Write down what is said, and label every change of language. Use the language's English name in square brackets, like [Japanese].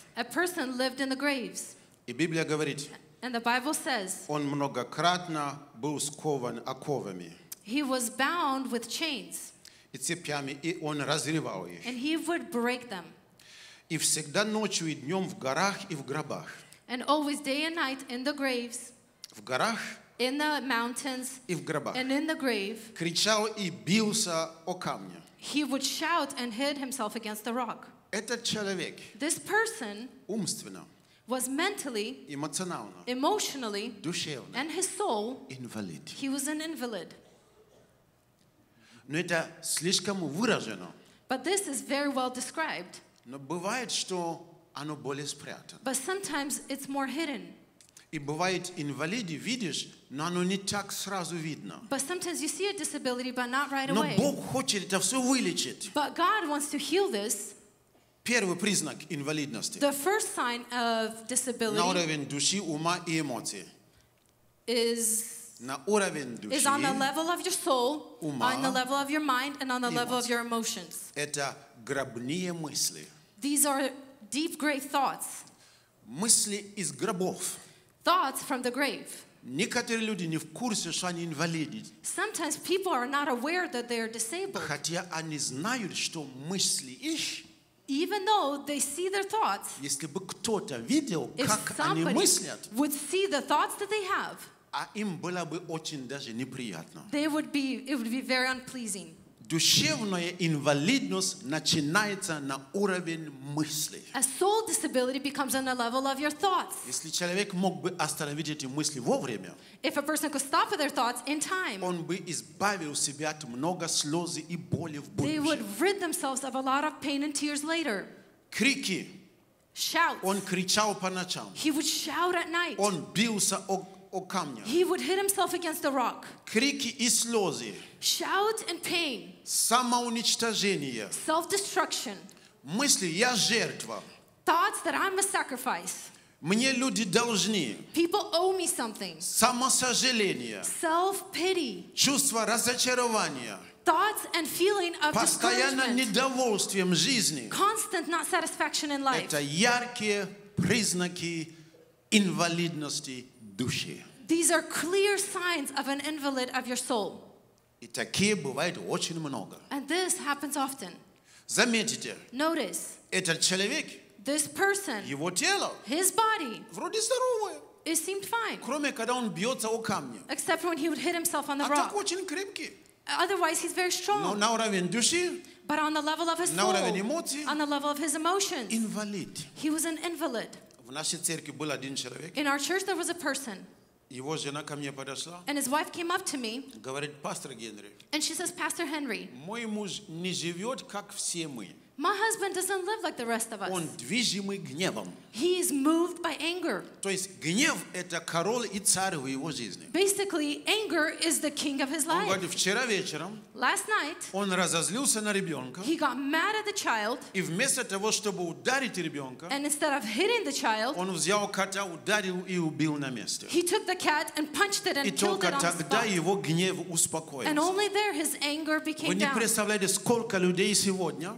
[English] A person lived in the graves. [Russian] И Библия говорит. [English] And the Bible says. [Russian] Он многократно был скован оковами. [English] He was bound with chains. [Russian] И цепями, и он разрывал их. [English] And he would break them. [Russian] И всегда ночью и днем в горах и в гробах. [English] And always day and night in the graves. [Russian] В горах. [English] In the mountains. [Russian] И в гробах. [English] And in the grave. [Russian] Кричал и бился о камни. [English] He would shout and hit himself against the rock. [Russian] Этот человек. [English] This person. [Russian] Умственно. [English] Was mentally. [Russian] Эмоционально. [English] Emotionally. [Russian] Душевно. [English] And his soul. [Russian] Инвалид. [English] He was an invalid. [Russian] Но это слишком выражено. [English] But this is very well described. [Russian] Но бывает, что оно более спрятано. [English] But sometimes it's more hidden. [Russian] И бывает, инвалиды видишь, но оно не так сразу видно. [English] But sometimes you see a disability, but not right away. [Russian] Но Бог хочет это все вылечить. [English] But God wants to heal this. [Russian] Первый признак инвалидности. [English] The first sign of disability. [Russian] На уровень души, ума и эмоций. [English] Is. [Russian] На уровень души. [English] Is on the level of your soul, [Russian] ума, [English] on the level of your mind, and on the level of your emotions. [Russian] Это гробные мысли. [English] These are deep grave thoughts. [Russian] Мысли из гробов. [English] Thoughts from the grave. [Russian] Некоторые люди не в курсе, что они инвалиды. [English] Sometimes people are not aware that they are disabled. [Russian] Хотя они знают, что мысли их. [English] Even though they see their thoughts. [Russian] Если бы кто-то видел, как они мыслят. [English] Would see the thoughts that they have. [Russian] А им было бы очень даже неприятно. [English] It would be very unpleasing. [Russian] Душевная инвалидность начинается на уровень мысли. [English] A soul disability becomes on the level of your thoughts. [Russian] Если человек мог бы остановить эти мысли вовремя, [English] if a person could stop their thoughts in time, [Russian] он бы избавил себя от много слез и боли в будущем. [English] They would rid themselves of a lot of pain and tears later. [Russian] Крики. [English] Shouts. [Russian] Он кричал по ночам. [English] He would shout at night. [Russian] Он бился о камня. [English] He would hit himself against the rock. [Russian] Крики и слезы. [English] Shout and pain. [Russian] Самоуничтожение. [English] Self-destruction. [Russian] Мысли, я жертва. [English] Thoughts that I'm a sacrifice. [Russian] Мне люди должны. [English] People owe me something. [Russian] Самосожаление. [English] Self-pity. [Russian] Чувство разочарования. [English] Thoughts and feeling of discouragement. [Russian] Постоянно недовольствием жизни. [English] Constant not satisfaction in life. [Russian] Это яркие признаки инвалидности души. [English] These are clear signs of an invalid of your soul. [Russian] И такие бывают очень много. [English] And this happens often. [Russian] Заметите. [English] Notice. [Russian] Этот человек. [English] This person. [Russian] Его тело. [English] His body. [Russian] Вроде здоровое. [English] It seemed fine. [Russian] Кроме когда он бьется о камни. [English] Except when he would hit himself on the rock. [Russian] А так очень крепкий. [English] Otherwise he's very strong. [Russian] Но на уровень души. [English] But on the level of his soul. [Russian] На уровень эмоций. [English] On the level of his emotions. [Russian] Инвалид. [English] He was an invalid. [Russian] В нашей церкви был один человек. [English] In our church there was a person. [Russian] Его жена ко мне подошла. [English] And his wife came up to me. [Russian] Говорит, пастор Генри. [English] And she says, Pastor Henry. [Russian] Мой муж не живет, как все мы. [English] My husband doesn't live like the rest of us. [Russian] Он движимый гневом. [English] He is moved by anger. [Russian] То есть гнев это король и царь в его жизни. [English] Basically, anger is the king of his life. [Russian] Он говорит, вчера вечером. [English] Last night. [Russian] Он разозлился на ребенка. [English] He got mad at the child. [Russian] И вместо того, чтобы ударить ребенка. [English] And instead of hitting the child. [Russian] Он взял кота, ударил и убил на месте. [English] He took the cat and punched it and killed it on the spot. [Russian] И только тогда его гнев успокоился. [English] And only there his anger became down. [Russian] Вы не представляете, сколько людей сегодня.